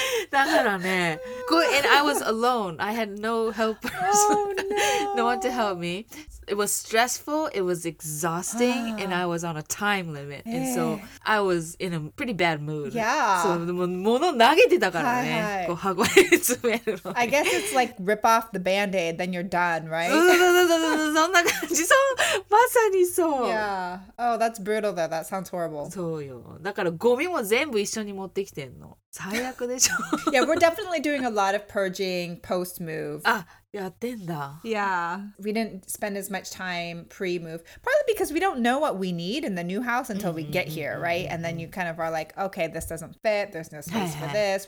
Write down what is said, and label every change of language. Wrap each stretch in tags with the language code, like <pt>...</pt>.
<ja>だからね、</ja> <en>and I was alone. I had no helpers. Oh no! No one to help me. it was stressful, it was exhausting, and I was on a time limit. And so I was in a pretty bad mood. Yeah.</en> <ja>So, もう物投げてたからね。こう箱に詰めるの。</ja> <en>I guess it's like rip off the band-aid, then you're done, right?</en> <ja>そんな感じ。そう、まさにそう。</ja> <en>Yeah. Oh, that's brutal though. That sounds horrible.</en> <ja>そうよ。だからゴミも全部一緒に持ってきてんの。最悪でしょ?</ja> <en>Yeah, we're definitely doing a lot of purging post-move.</en> <ja>あ、やってんだ。</ja> <en>Yeah. We didn't spend as much time pre-move. Probably because we don't know what we need in the new house until we get here, right? And then you kind of are like, okay, this doesn't fit. There's no space for this.</en>